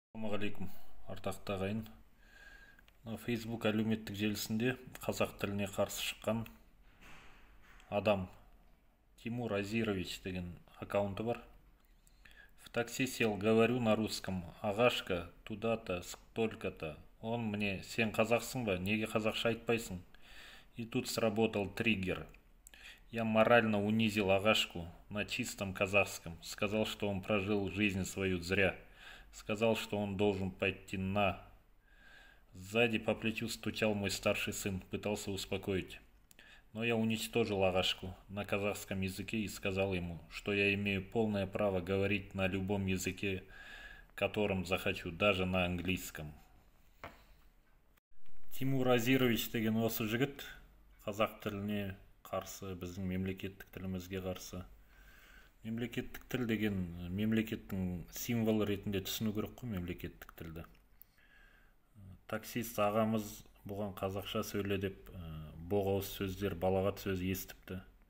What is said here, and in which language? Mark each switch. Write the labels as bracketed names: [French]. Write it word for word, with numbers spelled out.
[Kazakh] Ассалаумағалейкум, ардақты ағайын. Фейсбук әлеуметтік желісінде қазақ тіліне қарсы шыққан адам Тимур Азирович деген аккаунты бар. [Russian] В такси сел, говорю на русском, ағашка, туда-то, столько-то. Он мне, [Kazakh] сен қазақсың ба, неге қазақша айтпайсың? [Russian] И тут сработал триггер. Я морально унизил ағашку на чистом казахском, сказал, что он прожил жизнь свою зря. Сказал, что он должен пойти на... Сзади по плечу стучал мой старший сын, пытался успокоить. Но я уничтожил ағашку на казахском языке и сказал ему, что я имею полное право говорить на любом языке, которым захочу, даже на английском. [Kazakh] Тимур Азирович деген осы жігіт, қазақ тіліне қарсы, біздің мемлекеттік тілімізге қарсы. Мемлекеттік тіл деген мемлекеттің символы ретінде түсіну керек қой мемлекеттік тілді. Таксист ағамыз бұған қазақша сөйле деп боғауыз сөздер, балағат сөз естіпті.